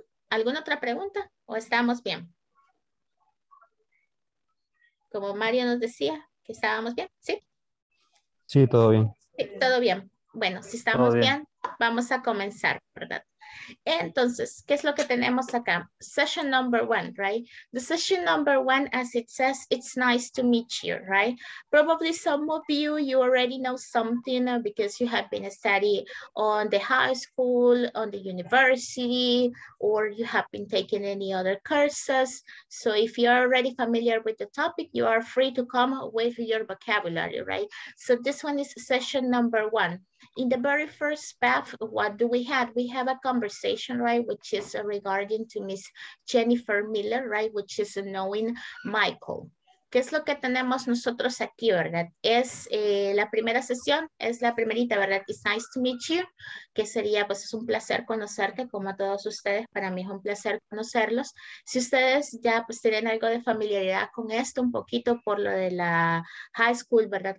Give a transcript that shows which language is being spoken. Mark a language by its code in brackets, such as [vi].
[es] ¿Alguna otra pregunta? ¿O estamos bien? Como Mario nos decía, que estábamos bien, ¿sí? Sí, todo bien. Sí, todo bien. Bueno, si estamos bien, vamos a comenzar, ¿verdad? Entonces, ¿qué es lo que tenemos acá? [en] Session number one, right? The session number one, as it says, it's nice to meet you, right? Probably some of you, you already know something because you have been studying on the high school, on the university, or you have been taking any other courses. So if you're already familiar with the topic, you are free to come with your vocabulary, right? So this one is session number one. In the very first path, what do we have? We have a conversation, right, which is regarding to Miss Jennifer Miller, right, which is knowing Michael. [es] ¿Qué es lo que tenemos nosotros aquí, verdad? Es la primera sesión, es la primerita, ¿verdad? [en] It's nice to meet you, [es] que sería, pues es un placer conocerte, como a todos ustedes, para mí es un placer conocerlos. Si ustedes ya pues tienen algo de familiaridad con esto, un poquito por lo de la high school, ¿verdad?